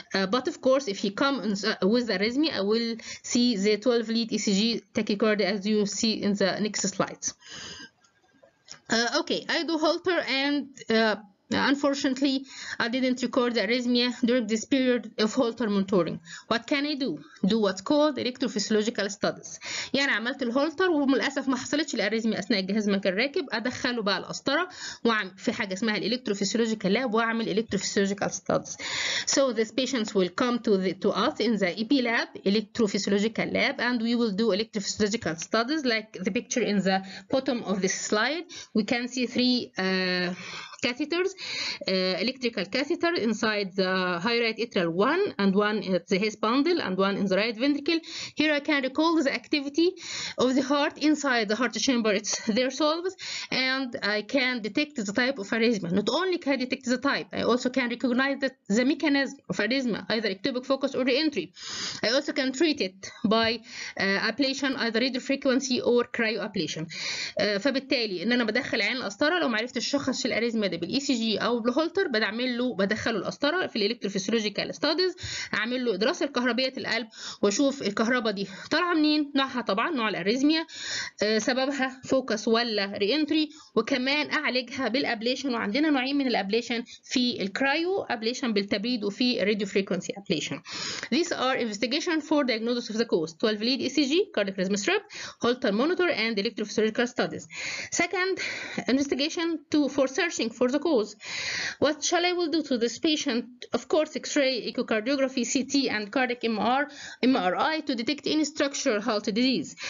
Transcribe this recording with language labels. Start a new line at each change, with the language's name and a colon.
English: But of course, if he come in, with the arrhythmia, I will see the 12 lead ECG tachycardia as you see in the next slides. Okay, I do Holter, and unfortunately, I didn't record the arrhythmia during this period of Holter monitoring. What can I do? Do what's called electrophysiological studies.
Arabic: يعني عملت الهولتر وللأسف ما حصلتش الأرزمية أثناء الجهاز المنكر الراكب، أدخله بقى القسطرة وأعمل في حاجة اسمها الإلكتروفيسيولوجيكال لاب وأعمل إلكتروفيسيولوجيكال ستادز.
English: So these patients will come to us in the EP lab, electrophysiological lab, and we will do electrophysiological studies like the picture in the bottom of this slide. We can see three catheters, electrical catheter inside the high right atrial one, and one at the His bundle, and one in the right ventricle. Here I can recall the activity of the heart inside the heart chamber, it's their solves, and I can detect the type of arrhythmia. Not only can I detect the type, I also can recognize the mechanism of arrhythmia, either ectopic focus or reentry. I also can treat it by ablation, either radio frequency or cryoablation.
Arabic: فبالتالي ان انا بدخل عين القسطرة لو ما عرفتش اشخص الارثما ده بالاي سي جي او بالهولتر بدعمل له بدخله القسطره في الالكتروفيسيولوجيكال ستاديز، اعمل له دراسه الكهربيه القلب واشوف الكهرباء دي طالعه منين، نوعها طبعا نوع الاريزميا، سببها فوكس ولا ري انتري، وكمان اعالجها بالابليشن، وعندنا نوعين من الابليشن في الكرايو ابليشن بالتبريد وفي الراديو فريكونسي ابليشن.
English: These are investigation for diagnosis of the cause 12 lead ECG cardiac rhythm strip holter monitor and electrophysiological studies. Second investigation for searching for the cause. What shall I will do to this patient? Of course, X-ray, echocardiography, CT, and cardiac MRI to detect any structural heart disease.